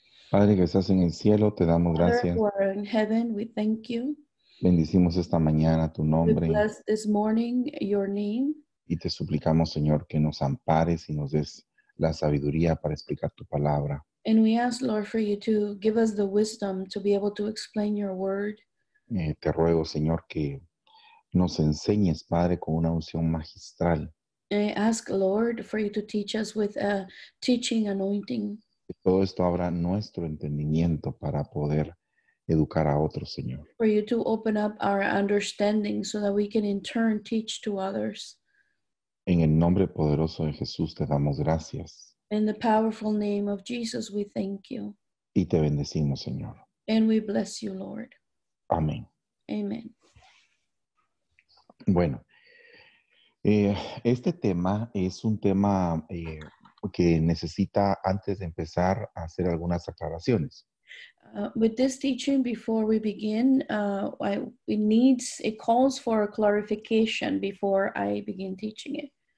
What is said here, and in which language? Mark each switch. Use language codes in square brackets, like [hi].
[es] Padre que estás en el cielo, te damos gracias. [en] Father, who are in heaven, we thank you. [es] Bendicimos esta mañana tu nombre. [en] We bless this morning your name. [es] Y te suplicamos, Señor, que nos ampares y nos des la sabiduría para explicar tu palabra. [en] And we ask, Lord, for you to give us the wisdom to be able to explain your word. [es] Te ruego, Señor, que nos enseñes, Padre, con una unción magistral. [en] I ask, Lord, for you to teach us with a teaching anointing. [es] Que todo esto abra nuestro entendimiento para poder educar a otros, Señor. [en] For you to open up our understanding so that we can in turn teach to others. [es] En el nombre poderoso de Jesús te damos gracias. [en] In the powerful name of Jesus, we thank you. [es] Y te bendecimos, Señor. [en] And we bless you, Lord. [es] Amén. [en] Amen. [es] Bueno, este tema es un tema que necesita, antes de empezar, hacer algunas aclaraciones. [en] With this teaching, before we begin, it calls for a clarification before I begin teaching it.